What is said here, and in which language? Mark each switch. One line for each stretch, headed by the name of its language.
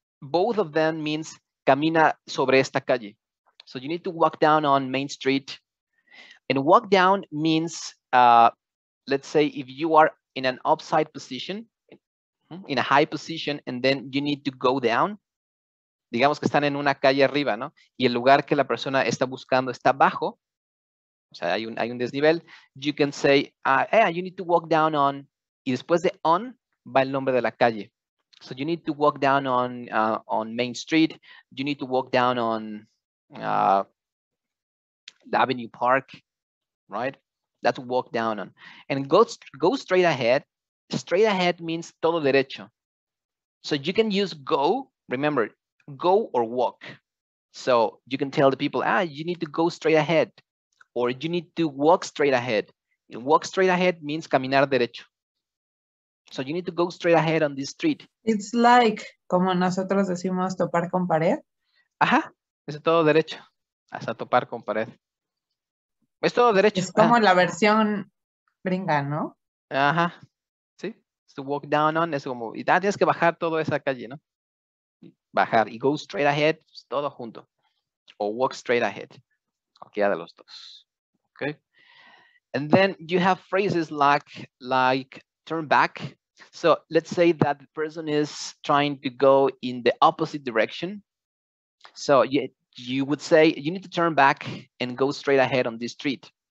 English: Both of them means
Spanish: camina sobre esta calle.
English: So you need to walk down on Main Street. And walk down means, let's say, if you are in an upside position, in a high position, and then you need to go down.
Spanish: Digamos que están en una calle arriba, ¿no? Y el lugar que la persona está buscando está bajo. O sea, hay un desnivel.
English: You can say, you need to walk down on.
Spanish: Y después de on, va el nombre de la calle.
English: So you need to walk down on Main Street. You need to walk down on Avenue Park, right? That's walk down on. And go straight ahead. Straight ahead means
Spanish: todo derecho.
English: So you can use go, remember, go or walk. So you can tell the people, you need to go straight ahead. Or you need to walk straight ahead. And walk straight ahead means
Spanish: caminar derecho.
English: So you need to go straight ahead on this street. It's like,
Spanish: como nosotros decimos, topar con pared. Ajá, es todo derecho, hasta topar con pared. Es todo derecho. Es como la versión gringa, ¿no? Ajá, sí.
English: To walk down on,
Spanish: es como, y tienes que bajar toda esa calle, ¿no? Bajar, y
English: go straight ahead,
Spanish: pues, todo junto. O
English: walk straight ahead,
Spanish: cualquiera de los dos.
English: Okay. And then you have phrases like, turn back. So let's say that the person is trying to go in the opposite direction. So you would say, you need to turn back and go straight ahead on this street.